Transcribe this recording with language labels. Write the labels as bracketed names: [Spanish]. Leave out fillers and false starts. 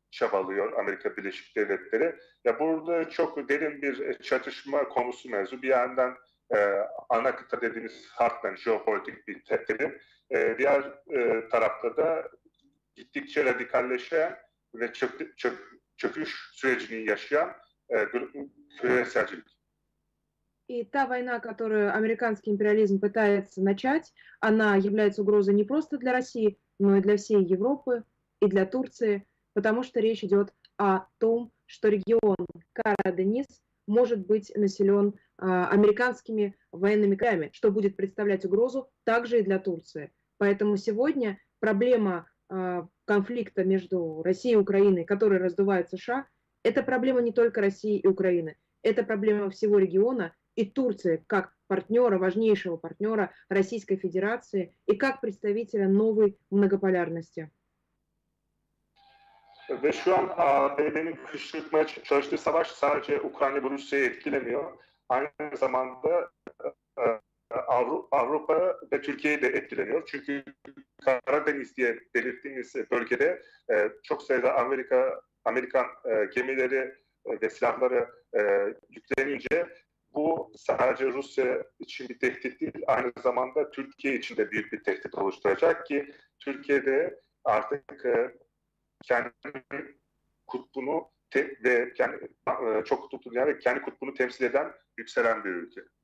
[Turkish] çabalıyor Amerika Birleşik Devletleri. Ya burada çok derin bir çatışma konusu mevzu. Bir yandan ana kıta dediğimiz halkların jeopolitik bir tepkili. Diğer tarafta da gittikçe radikalleşen ve çöküş sürecini yaşayan küreselcilik. [Russian] И та война, которую американский империализм пытается начать, она является угрозой не просто для России, но и для всей Европы, и для Турции, потому что речь идет о том, что регион Кара-Денис может быть населен американскими военными кораблями, что будет представлять угрозу также и для Турции. Поэтому сегодня проблема конфликта между Россией и Украиной, который раздувает США, это проблема не только России и Украины, это проблема всего региона, и Турции как партнера, важнейшего партнера Российской Федерации и как представителя новой многополярности. [Turkish] Ve şu an ABD'nin kışkırtmaya çalıştığı savaş sadece Ukrayna ve Rusya'yı etkilemiyor. Aynı zamanda Avrupa ve Türkiye'yi de etkileniyor. Çünkü Karadeniz diye belirttiğimiz bölgede çok sayıda Amerikan gemileri ve silahları yüklenince bu sadece Rusya için bir tehdit değil, aynı zamanda Türkiye için de büyük bir tehdit oluşturacak ki Türkiye'de artık kendi kutbunu ve kendi çok kutuplu yani kendi kutbunu temsil eden yükselen bir ülke.